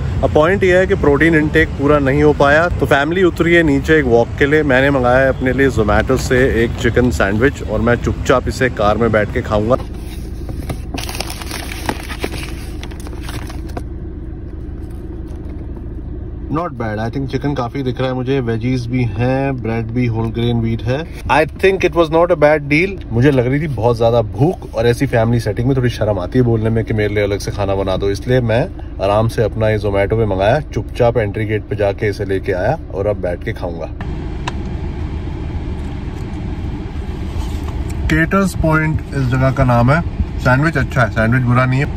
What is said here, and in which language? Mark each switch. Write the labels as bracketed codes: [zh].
[hi] A point यह है कि प्रोटीन इनटेक पूरा नहीं हो पाया, तो फैमिली उतरी है नीचे एक वॉक के लिए. मैंने मंगाया है अपने लिए जोमेटो से एक चिकन सैंडविच और मैं चुपचाप इसे कार में बैठ के खाऊंगा. [en] Not bad. I think [hi] chicken काफी दिख रहा है मुझे. [en] Veggies भी हैं, bread भी, whole grain wheat है. I think it was not a bad deal. [hi] मुझे लग रही थी बहुत ज़्यादा भूख और ऐसी family setting में थोड़ी शर्म आती है बोलने में कि मेरे लिए अलग से खाना बना दो. इसलिए मैं आराम से अपना ये Zomato पे मंगाया, चुपचाप entry gate पे जाके इसे लेके आया और अब बैठ के खाऊंगा. Caters Point इस जगह का नाम है. Sandwich अच्छा है, sandwich बुरा नहीं है.